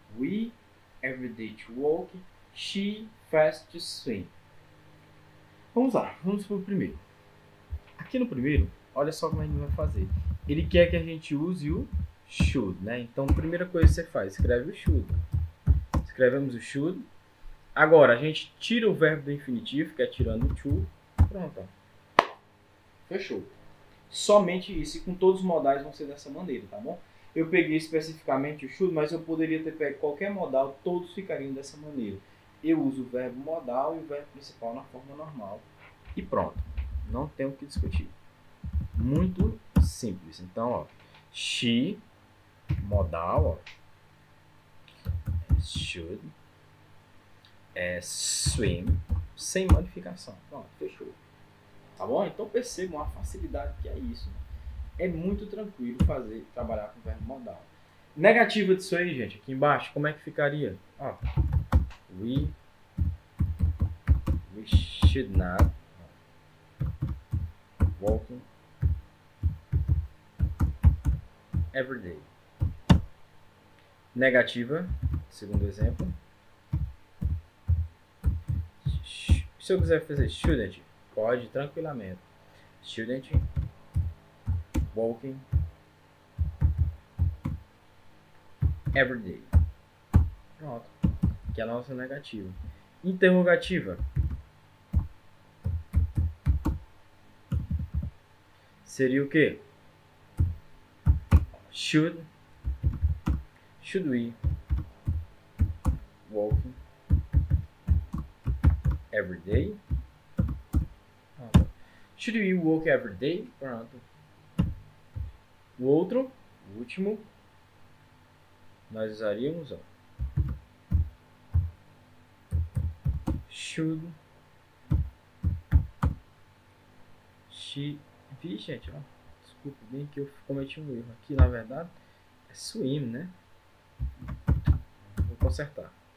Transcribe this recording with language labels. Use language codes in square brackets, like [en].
[en] We every day to walk, she fast to swim. [pt] Vamos lá, vamos para o primeiro. Aqui no primeiro, olha só como a gente vai fazer. Ele quer que a gente use o should, né? Então, a primeira coisa que você faz, escreve o should. Escrevemos o should. Agora, a gente tira o verbo do infinitivo, que é tirando o to. Pronto. Fechou. Somente isso, e com todos os modais vão ser dessa maneira, tá bom? Eu peguei especificamente o should, mas eu poderia ter pego qualquer modal, todos ficariam dessa maneira. Eu uso o verbo modal e o verbo principal na forma normal. E pronto. Não tem o que discutir. Muito simples. Então, ó. She, modal, ó. Should. Swim. Sem modificação. Pronto, fechou. Tá bom? Então percebam a facilidade que é isso. É muito tranquilo fazer, trabalhar com verbo modal. Negativa disso aí, gente, aqui embaixo, como é que ficaria? [en] Ó, we should not walk every day. [pt] Negativa, segundo exemplo. Se eu quiser fazer shouldn't, pode tranquilamente. [en] Shouldn't walking every day. [pt] Pronto. Aqui é a nossa negativa. Interrogativa. Seria o quê? [en] Should we walk every day? Pronto. Should we walk every day? [pt] Pronto. O outro, o último, nós usaríamos, ó. [en] Should she be, gente, ó. [pt] Desculpa, bem que eu cometi um erro. Aqui, na verdade, é swim, né? Vou consertar.